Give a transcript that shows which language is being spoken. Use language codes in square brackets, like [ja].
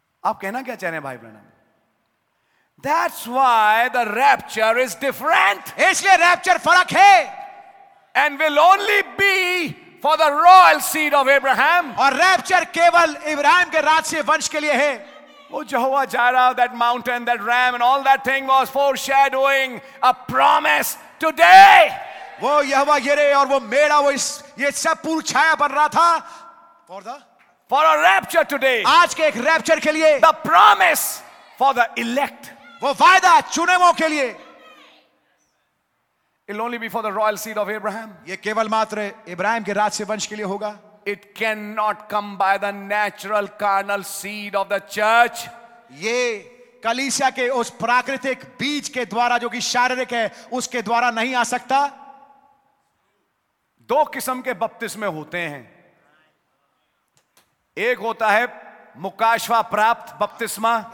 [hi] आप कहना क्या चाह रहे हैं भाई Branham? [en] That's why the rapture is different. [hi] इसलिए रैप्चर फर्क है. [en] And will only be for the royal seed of Abraham. [hi] और रैप्चर केवल इब्राहिम के राजसीय वंश के लिए है. [en] Oh, Jehovah Jireh, that mountain, that ram, and all that thing was foreshadowing a promise today. [hi] वो यहोवा यरे और वो मेरा वो इस ये सब पूर्व छाया बन रहा था [en] for a rapture today. [hi] आज के एक रैप्चर के लिए. [en] The promise for the elect. [hi] वो वायदा चुने हुओं के लिए. [en] It'll only be for the royal seed of Abraham. [hi] ये केवल मात्र इब्राहिम के राजसीय वंश के लिए होगा. [en] It cannot come by the natural carnal seed of the church. [hi] ये कलीसिया के उस प्राकृतिक बीज के द्वारा जो कि शारीरिक है उसके द्वारा नहीं आ सकता. दो किस्म के बपतिस्मे होते हैं. एक होता है मुकाशवा प्राप्त बपतिस्मा.